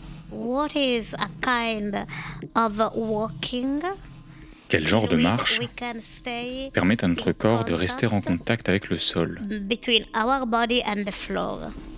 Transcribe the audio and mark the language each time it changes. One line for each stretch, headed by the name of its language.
English: What is a kind of walking?
French: Quel genre de marche permet à notre corps de rester en contact avec le sol?
English: Between our body and the floor.